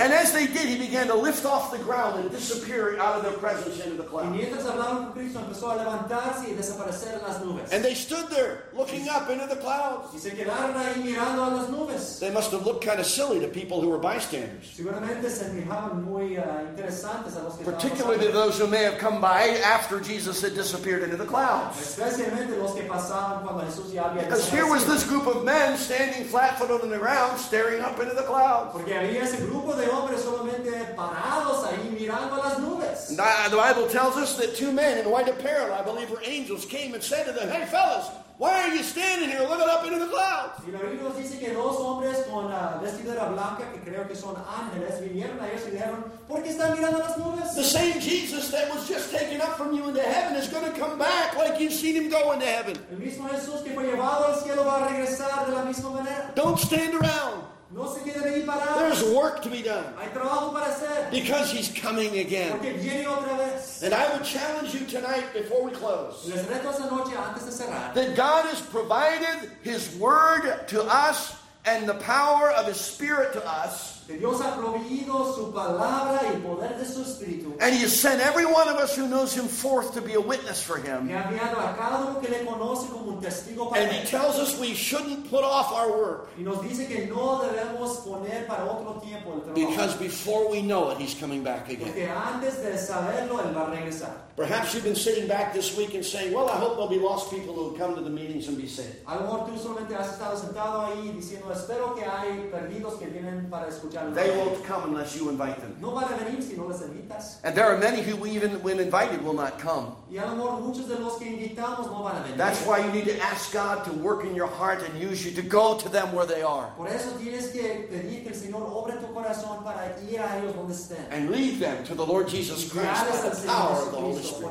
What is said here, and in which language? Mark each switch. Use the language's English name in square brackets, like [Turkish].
[English] And as they did, He began to lift off the ground and disappear out of their presence into the cloud. [Spanish] Y mientras hablaban con Cristo, empezó a levantarse y desaparecer en las nubes. [English] And they stood there looking up into the clouds. [Spanish] Y se quedaron ahí mirando a las nubes. [English] They must have looked kind of silly to people who were bystanders. [Spanish] Seguramente se miraban muy interesantes a los que [English] particularly those who may have come by after Jesus had disappeared into the clouds. [Spanish] Especialmente los que pasaban cuando Jesús ya había desaparecido. [English] Here was this group of men standing flat foot on the ground, staring up into the clouds. [Spanish] Porque había ese grupo de hombres solamente parados ahí mirando a las nubes. [English] The Bible tells us that two men in white apparel, I believe, were angels, came and said to them, "Hey, fellas, why are you standing here looking up into the clouds?" [Spanish] Y la Biblia nos dice que dos hombres con vestidura blanca, que creo que son ángeles, vinieron a ellos y dijeron, ¿por qué están mirando a las nubes? [English] The same Jesus that was just taken up from you into heaven is going to come back like you've seen Him go into heaven. [Spanish] El mismo Jesús que fue llevado al cielo va a regresar de la misma manera. [English] Don't stand around. [Spanish] No se queden ahí parados. [English] There's work to be done. [Spanish] Hay trabajo para hacer. [English] Because He's coming again. [Spanish] Porque viene otra vez. [English] And I would challenge you tonight before we close. [Spanish] Les reto esta noche antes de cerrar. [English] That God has provided His Word to us and the power of His Spirit to us. [Spanish] Dios ha proveído su palabra y poder de su espíritu. [English] And He has sent every one of us who knows Him forth to be a witness for Him. [Spanish] Y ha enviado a cada uno que le conoce como un testigo para [English] and [Spanish] él. [English] He tells us we shouldn't put off our work. [Spanish] Y nos dice que no debemos poner para otro tiempo el trabajo. [English] Because before we know it, He's coming back again. [Spanish] Porque antes de saberlo, Él va a regresar. [English] Perhaps you've been sitting back this week and saying, "Well, I hope there'll be lost people who will come to the meetings and be saved." [Spanish] A lo mejor tú solamente has estado sentado ahí diciendo, "Espero que hay perdidos que vienen para escuchar." [English] They won't come unless you invite them. [Spanish] No van a venir si no les invitas. [English] And there are many who, even when invited, will not come. [Spanish] Y a lo mejor muchos de los que invitamos no van a venir. [English] That's why you need to ask God to work in your heart and use you to go to them where they are. [Spanish] Por eso tienes que pedir que el Señor obre tu corazón para ir a ellos donde estén. [English] And lead them to the Lord Jesus Christ by the power of the Holy Spirit.